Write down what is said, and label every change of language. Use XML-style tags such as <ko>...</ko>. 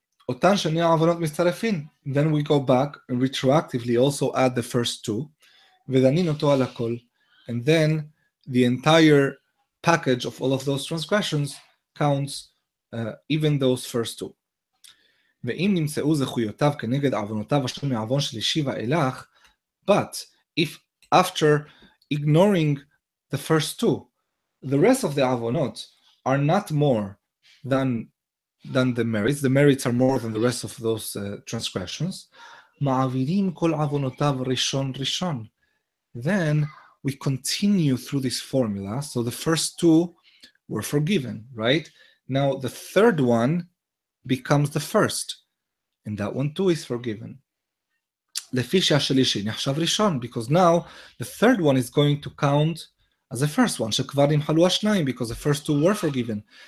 <he>Otan shnei avonot mistarefin.</he> <en>Then we go back and retroactively also add the first two.</en> <he>Vedanin oto al hakol.</he> <en>And then the entire package of all of those transgressions counts even those first two.</en> <he>ואם נמצאו זכויותיו כנגד עוונותיו אשר מעוון שלישי ואילך,</he> <en>but if after ignoring the first two, the rest of the עוונות are not more than the merits are more than the rest of those transgressions,</en> <he>מעבירים כל עוונותיו ראשון ראשון.</he> <en>Then we continue through this formula, so the first two were forgiven, right? Now the third one becomes the first, and that one too is forgiven.</en> <he>לפי שהשלישי נחשב ראשון,</he> <en>because now the third one is going to count as the first one,</en> <he>שכבר נמחלו השניים,</he> <en>because the first two were forgiven.</en>